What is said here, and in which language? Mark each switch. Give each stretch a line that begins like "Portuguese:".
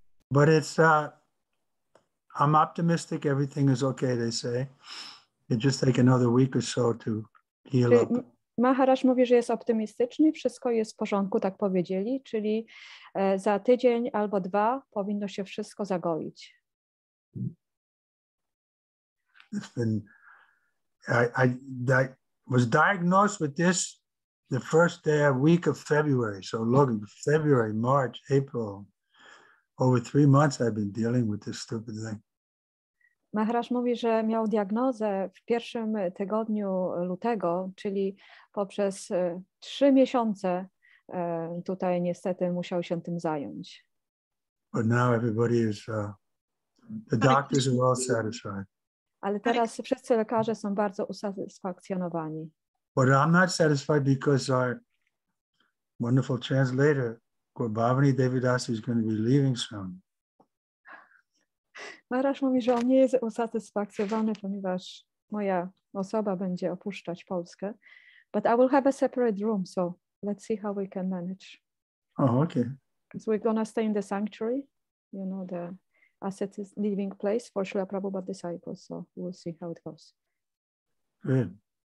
English: But it's, I'm optimistic everything is okay, they say. It just take another week or so to heal up.
Polish: Maharaj mówi, że jest optymistyczny, wszystko jest w porządku, tak powiedzieli, czyli za tydzień albo dwa powinno się wszystko zagoić.
English: It's been, I was diagnosed with this the first day of week of February. So look, February, March, April, over 3 months I've been dealing with this stupid thing.
Polish: Maharaj mówi, że miał diagnozę w pierwszym tygodniu lutego, czyli poprzez 3 miesiące tutaj niestety musiał się tym zająć.
English: But now everybody is, the doctors are all satisfied.
Polish: Ale teraz wszyscy lekarze są bardzo usatysfakcjonowani.
English: But I'm not satisfied because our wonderful translator, Gurbhavani Devadasi, is going to be leaving soon.
Polish: Maharaj mówi, że on nie jest usatysfakcjonowany, ponieważ moja osoba będzie opuszczać Polskę.
English: But I will have a separate room, so let's see how we can manage. Oh, okay. Because we're going to stay in the sanctuary, you know, the asset is living place for Srila Prabhupada disciples, so we'll see how it goes. Good.